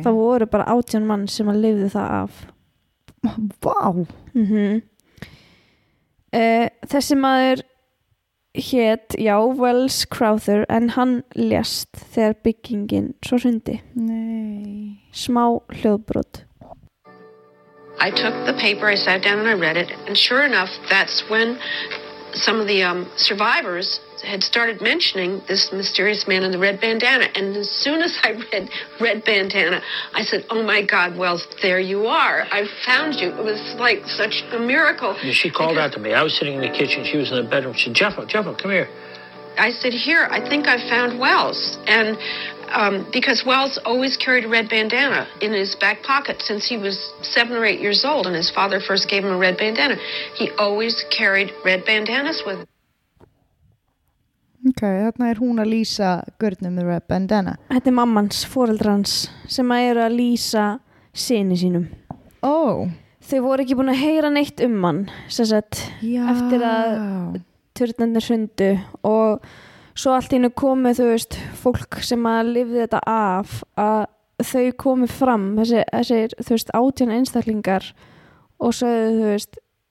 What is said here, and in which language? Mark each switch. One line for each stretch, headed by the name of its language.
Icelandic: það voru bara 18 manns sem að lifðu það af Vá. Mm-hmm. Þessi maður hét, já, Wells Crowther en hann lést þegar byggingin svo hrundi. Nei. Smá hljóðbrot.
English: I took the paper, I sat down and I read it and sure enough that's when some of the survivors had started mentioning this mysterious man in the red bandana and as soon as I read red bandana I said oh my god Wells there you are I found you it was like such a miracle and she called out to me I was sitting in the kitchen she was in the bedroom she said Jeffo come here I said here I think I found Wells and because Wells always carried a red bandana in his back pocket since he was 7 or 8 years old and his father first gave him a red bandana he always carried red bandanas with him
Icelandic: Ok, þarna hún að lýsa görnum með
English: red bandana.
Icelandic: Þetta mammans, foreldrans, sem að eru að lýsa syni sínum. Ó. Oh. Þau voru ekki búin að heyra neitt mann, sem sagt, Já. Eftir að turnarnir hrundu og svo allt einu komu, þú veist, fólk sem að lifði þetta af að þau komu fram, þessi þú veist, 18 einstaklingar og sögðu, þú veist,